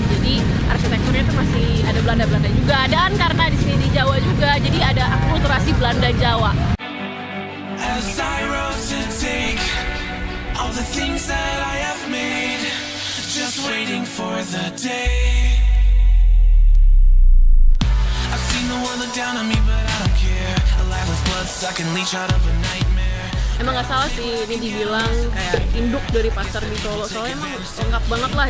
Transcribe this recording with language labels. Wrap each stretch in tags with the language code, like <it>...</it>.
<id>Jadi arsitekturnya itu masih ada Belanda-Belanda juga. Dan karena di sini di Jawa juga, jadi ada akulturasi Belanda Jawa.</id> <en>As I rose to take all the things that I have made, just waiting for the day. I've seen the one look down on me, but I don't care. A life with blood sucking leech out of a nightmare.</en> <id>Emang gak salah sih ini dibilang kayak induk dari pasar di Solo. Soalnya emang lengkap banget lah.</id>